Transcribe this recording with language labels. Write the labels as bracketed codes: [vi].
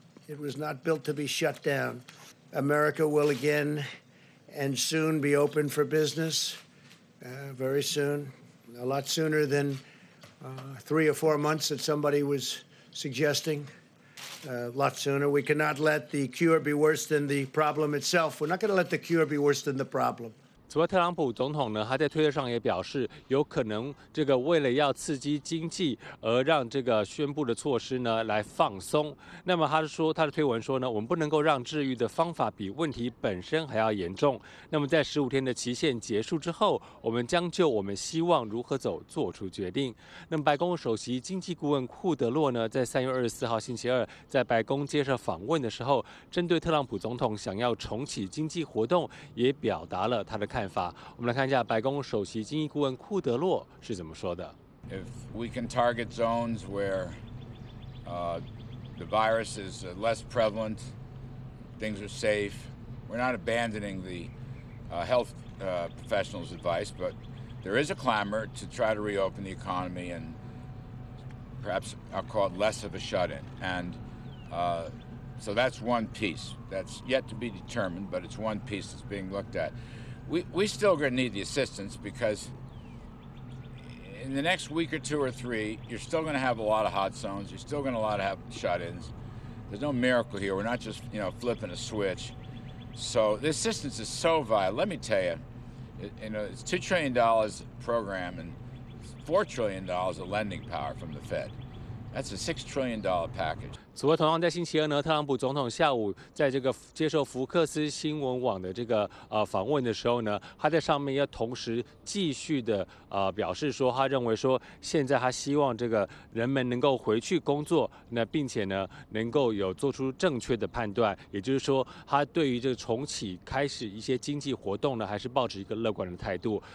[en] It was not built to be shut down. America will again and soon be open for business, very soon, a lot sooner than 3 or 4 months that somebody was suggesting, a lot sooner. We cannot let the cure be worse than the problem itself. We're not going to let the cure be worse than the problem. [zh] 此外，特朗普总统呢，他在推特上也表示，有可能这个为了要刺激经济而让这个宣布的措施呢来放松。那么他说，他的推文说呢，我们不能够让治愈的方法比问题本身还要严重。那么在15天的期限结束之后，我们将就我们希望如何走做出决定。那么白宫首席经济顾问库德洛呢，在3月24号星期二在白宫接受访问的时候，针对特朗普总统想要重启经济活动，也表达了他的看法。我们来看一下白宫首席经济顾问库德洛是怎么说的。 [en] If we can target zones where the virus is less prevalent, things are safe, we're not abandoning the health professionals' advice, but there is a clamor to try to reopen the economy and perhaps I'll call it less of a shut-in. And so that's one piece that's yet to be determined, but it's one piece that's being looked at. We still going to need the assistance because in the next week or two or three, you're still going to have a lot of hot zones. You're still going to have shut-ins. There's no miracle here. We're not just, you know, flipping a switch. So the assistance is so vital. Let me tell you, it's $2 trillion program and $4 trillion of lending power from the Fed. That's a $6 trillion package. [zh] 此外，同样在星期二呢，特朗普总统下午在这个接受福克斯新闻网的这个访问的时候呢，他在上面要同时继续的表示说，他认为说现在他希望这个人们能够回去工作，那并且呢能够有做出正确的判断，也就是说他对于这个重启开始一些经济活动呢，还是抱持一个乐观的态度。